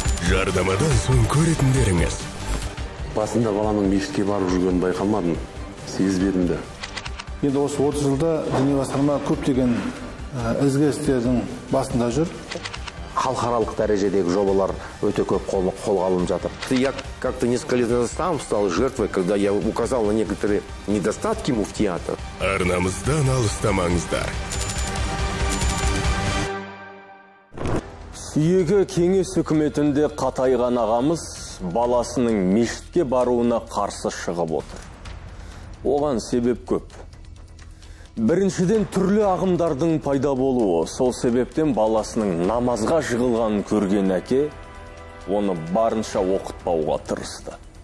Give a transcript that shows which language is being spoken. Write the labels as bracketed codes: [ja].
[kk] Жардамадан соң көретіндеріңіз. Басында баланың мешітке барып жүргенін байқалмадым, сезбедім де. Енді осы 30 жылда діни басқарма көптеген ізгілістердің басында жүр. Халықаралық дәрежедегі жобалар өте көп қолға алынып жатыр. [ru] Я как-то несколько лет сам стал жертвой, когда я указал на некоторые недостатки муфтията. [kk] Арнамыздан алыстамаңыздар. Сүйегі кеңес үкіметінде қатайған ағамыз баласының мешітке баруына қарсы шығып отыр. Оған себеп көп. Біріншіден түрлі ағымдардың пайда болуы, сол себептен баласының намазға жығылғанын көрген әке оны барынша оқытпауға тырысты.